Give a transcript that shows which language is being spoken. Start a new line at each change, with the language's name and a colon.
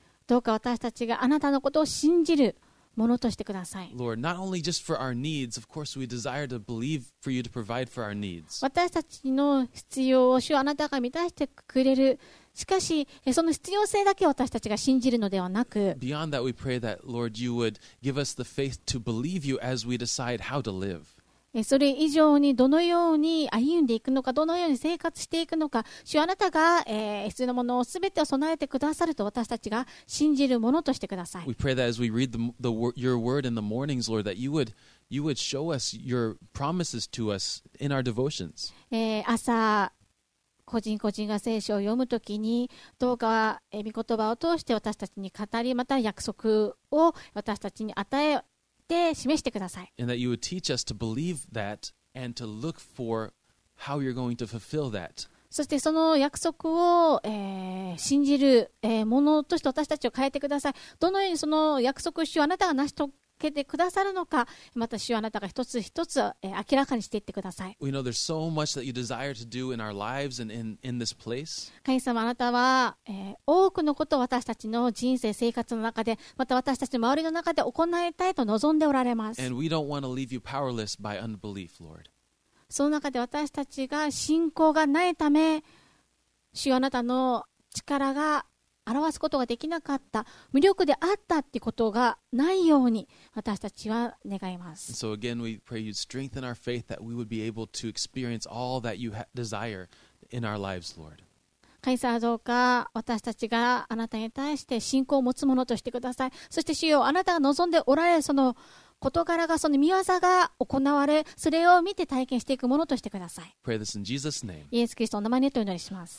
Japanese: どうか私たちがあなたのことを信じるものとしてください。
English: Lord, not only just for our needs, of course we desire to believe for you to provide for our needs.
Japanese: 私たちの必要を主はあなたが満たしてくれる。しかしその必要性だけ私たちが信じるのではなく、
English: Beyond that, we pray that, Lord, you would give us the faith to believe you as we decide how to live.
Japanese: それ以上にどのように歩んでいくのか、どのように生活していくのか、主あなたが、必要なものをすべてを備えてくださると私たちが信じるものとしてください。
English: We pray that as we read your word in the mornings, Lord, that you would show us your promises to us in our devotions.
Japanese: 朝個人個人が聖書を読むときにどうか御言葉を通して私たちに語りまた約束を私たちに与えて示してください。
English: And that you would teach us to believe that and to look for how you're going to fulfill that.
Japanese: そしてその約束を、信じる、ものとして私たちを変えてください。どのようにその約束を主はあなたが成し遂げてくださるのか、また主はあなたが一つ一つ、明らかにしていってください。
English: We know there's so much that you desire to do in our lives and in this place.
Japanese: 神様、あなたは、多くのことを私たちの人生、生活の中で、また私たちの周りの中で行いたいと望んでおられます。
English: And we don't want to leave you powerless by unbelief, Lord.
Japanese: その中で私たちが信仰がないため主あなたの力が表すことができなかった無力であったってことがないように私たちは願います。
English: So again we pray you'd strengthen our faith that we would be able to experience all that you desire in our lives, Lord.
Japanese: 神様どうか私たちがあなたに対して信仰を持つものとしてください。そして主よあなたが望んでおられるその事柄がその御業が行われそれを見て体験していくものとしてください。
English: Pray this in Jesus' name.
Japanese: イエス・キリストの名前でお祈りします。